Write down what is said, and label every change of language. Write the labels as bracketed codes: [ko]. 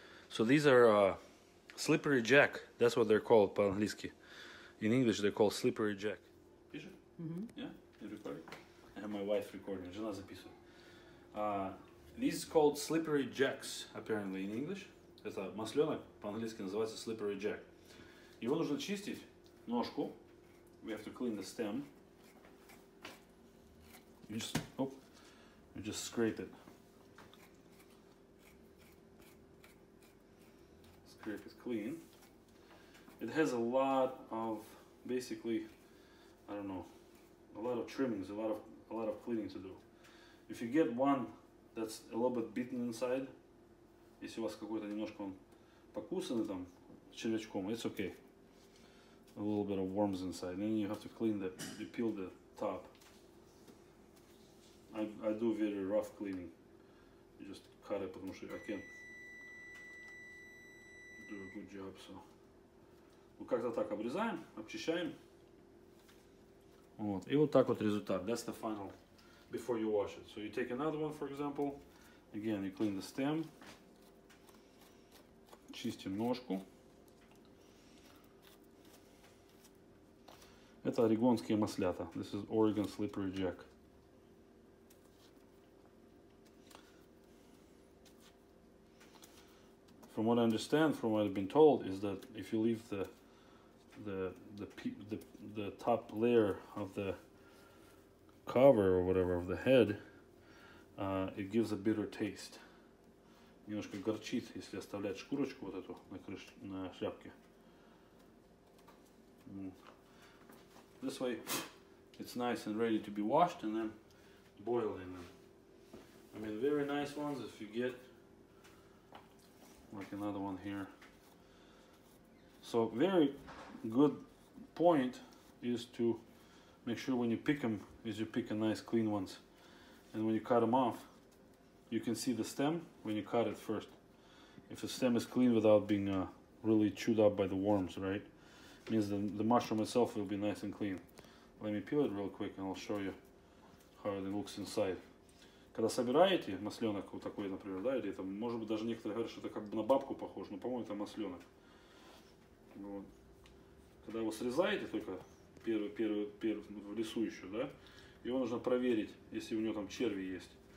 [en] So these are slippery jack. That's what they're called по-английски. In English they're called slippery jack. Пишешь? Mm-hmm. Yeah, you're recording. I have my wife recording. [ru] Жена записывает. [en] These are called slippery jacks, apparently, in English. [ru] Это масленок, по-английски называется slippery jack. Его нужно чистить ножку. [en] We have to clean the stem. You just scrape it. Scrape it clean. It has a lot of, basically, I don't know, a lot of trimmings, a lot of cleaning to do. If you get one that's a little bit bitten inside, [ru] если у вас какой-то немножко он покусанный там червячком, [en] it's okay. A little bit of worms inside. Then you have to clean the, you peel the top. I do very rough cleaning. You just cut it, [ru] потому что [en] I can't do a good job, so. [ru] Ну, как-то так обрезаем, обчищаем. Вот, и вот так вот результат. [en] That's the final, before you wash it. So you take another one, for example. Again, you clean the stem. [ru] Чистим ножку. Это орегонские маслята. [en] This is Oregon Slippery Jack. From what I understand, from what I've been told, is that if you leave the top layer of the cover or whatever of the head, it gives a bitter taste. Немножко горчит, если оставлять шкурочку вот эту на крышке, на шляпке. This way, it's nice and ready to be washed and then boiled in them. I mean, very nice ones if you get like another one here. So very good point is to make sure when you pick them, is you pick a nice clean ones. And when you cut them off, you can see the stem when you cut it first. If the stem is clean without being really chewed up by the worms, right? Means the mushroom itself will be nice and clean. Let me peel it real quick and I'll show you how it looks inside. [ru] Когда собираете масленок вот такой, например, да, или там, может быть, даже некоторые говорят, что это как бы на бабку похож, но, по-моему, это масленок. Вот. Когда его срезаете только первый, в лесу еще, да, его нужно проверить, если у него там черви есть.